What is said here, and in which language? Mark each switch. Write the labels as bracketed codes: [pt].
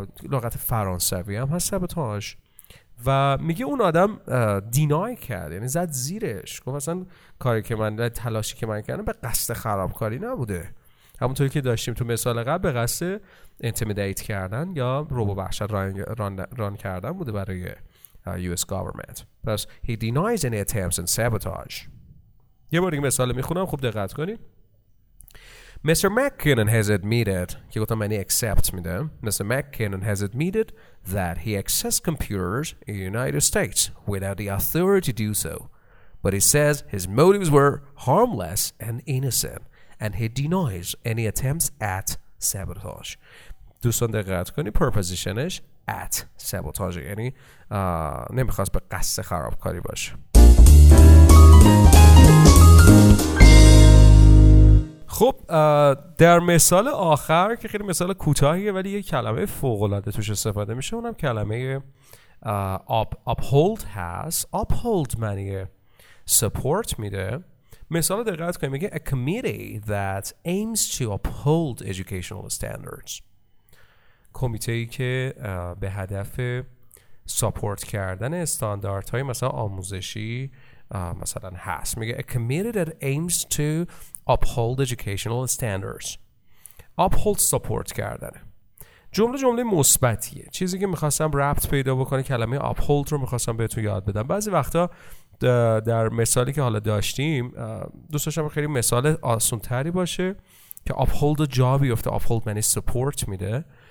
[fa] لغت فرانسوی هم هست سبوتاژ، و میگه اون آدم دینای کرد، یعنی زد زیرش، گفت اصلا کاری که من، تلاشی که من کردم به قصد خرابکاری نبوده، همونطوری که داشتیم تو مثال قبل به قصد انتیمیدیت کردن یا روبو وحشت ران کردن بوده برای [en] US government. [fa] پس [en] he denies any attempts and sabotage. [fa] یه بار دیگه مثال میخونم، خوب دقت کنید. [en] Mr. McKinnon has admitted [fa] که گفتم معنی [en] accept [fa] میده. [en] Mr. McKinnon has admitted that he accessed computers in the United States without the authority to do so. But he says his motives were harmless and innocent and he denies any attempts at sabotage. [fa] دوستان دقت کنید، پرپوزیشنش at sabotage، یعنی نمیخواست به قصد خرابکاری باشه. خب در مثال آخر که خیلی مثال کوتاهیه ولی یه کلمه فوق‌العاده توش استفاده میشه، اونم کلمه uphold هست. uphold معنی support میده. مثال دقت کنیم، میگه [en] a committee that aims to uphold educational standards، [fa] کمیته‌ای که به هدف ساپورت کردن استانداردهای مثلا آموزشی مثلا هست. میگه [en] a committee that aims to uphold educational standards. [fa] uphold ساپورت کردن. جمله مثبتیه. چیزی که میخواستم ربط پیدا بکنه، کلمه uphold رو میخواستم بهتون یاد بدم. بعضی وقتا در مثالی که حالا داشتیم دوست داشتم خیلی مثال آسان‌تری باشه که uphold جا بیفته. uphold معنی support میده.